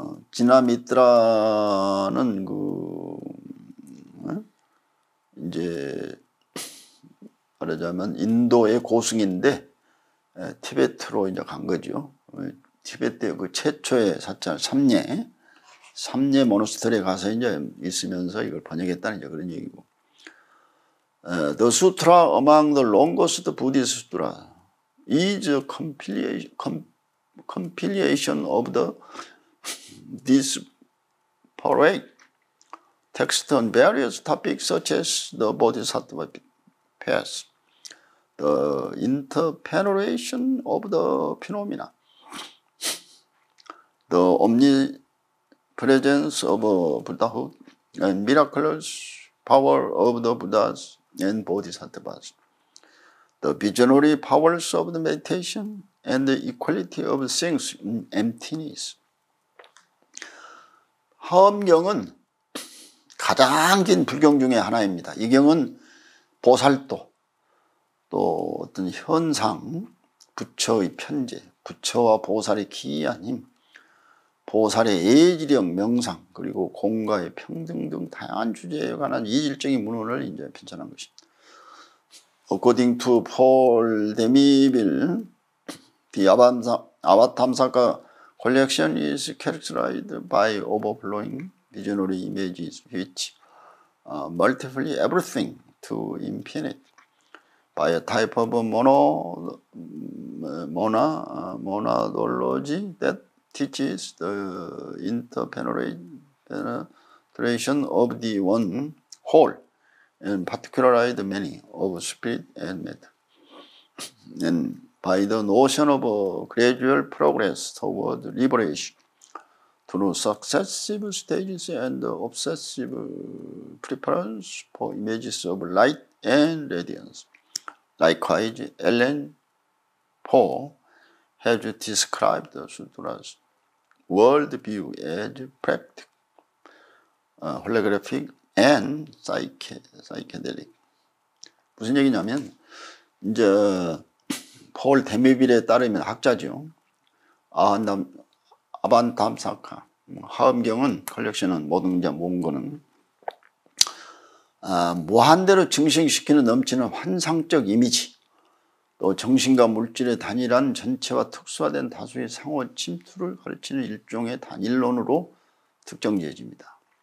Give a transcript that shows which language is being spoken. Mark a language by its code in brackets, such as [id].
[ko] 지나미트라는 그, 이제, 말하자면 인도의 고승인데, 티베트로 이제 간 거죠. 티베트의 그 최초의 사찰 삼례 모노스터리에 가서 이제 있으면서 이걸 번역했다는 이제 그런 얘기고. [en] The sutra among the longest Buddhist sutra is a compilation of the disparate text on various topics such as the Bodhisattva path, the interpenetration of the phenomena, the omnipresence of a Buddhahood, and miraculous power of the Buddhas. And bodhisattvas, the visionary powers of the meditation and the equality of things in emptiness. [ko] 화엄경은 가장 긴 불경 중에 하나입니다. 이 경은 보살도, 또 어떤 현상, 부처의 편재, 부처와 보살의 기이한 힘, 보살의 예지력, 명상, 그리고 공과의 평등 등 다양한 주제에 관한 이질적인 문헌을 이제 편찬한 것입니다. [en] According to Paul de Miville, the Avatamsaka collection is characterized by overflowing visionary images which multiply everything to infinite by a type of monadology that teaches the interpenetration of the one whole. And particularized many of spirit and matter. And by the notion of a gradual progress toward liberation through successive stages and obsessive preference for images of light and radiance. Likewise, Ellen Poe has described the sutra's worldview as practical, holographic, and psychedelic. [ko] 무슨 얘기냐면, 이제, 폴 데미빌에 따르면 학자죠. 아반담사카. 화엄경은, 컬렉션은, 모든 자 모은 거는, 무한대로 증식시키는 넘치는 환상적 이미지, 또 정신과 물질의 단일한 전체와 특수화된 다수의 상호 침투를 가르치는 일종의 단일론으로 특정지어집니다.